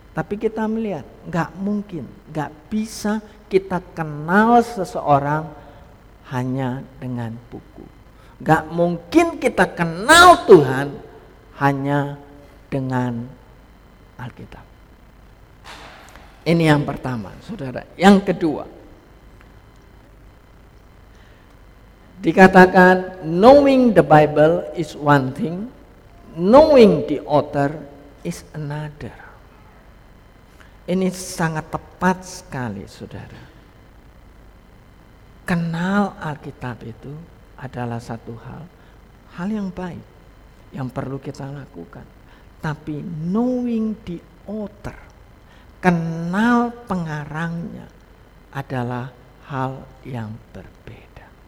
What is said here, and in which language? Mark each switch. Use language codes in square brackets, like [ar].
[id] Tapi kita melihat, enggak mungkin, enggak bisa kita kenal seseorang hanya dengan buku. Enggak mungkin kita kenal Tuhan hanya dengan Alkitab. Ini yang pertama, saudara. Yang kedua, dikatakan [en] knowing the Bible is one thing, knowing the author is another. [id] Ini sangat tepat sekali, saudara. Kenal Alkitab itu adalah satu hal, hal yang baik yang perlu kita lakukan. Tapi [en] knowing the author, [id] kenal pengarangnya adalah hal yang berbeda.